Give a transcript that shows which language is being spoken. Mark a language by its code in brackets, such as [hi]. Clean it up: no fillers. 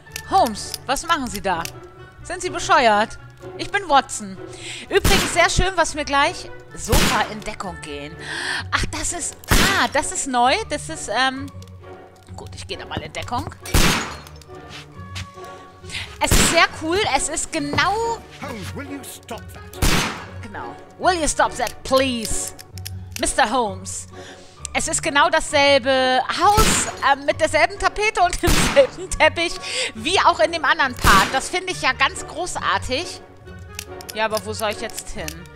[de] Holmes, was machen Sie da? Sind Sie bescheuert? Ich bin Watson. Übrigens sehr schön, was mir gleich Sofa in Deckung gehen. Ach, das ist... Ah, das ist neu. Das ist, gut, ich gehe da mal in Deckung. Es ist sehr cool. Es ist genau... [en] Holmes, will you stop that? [de] Genau. [en] Will you stop that, please? Mr. Holmes. [de] Es ist genau dasselbe Haus mit derselben Tapete und demselben Teppich wie auch in dem anderen Part. Das finde ich ja ganz großartig. Ja, aber wo soll ich jetzt hin?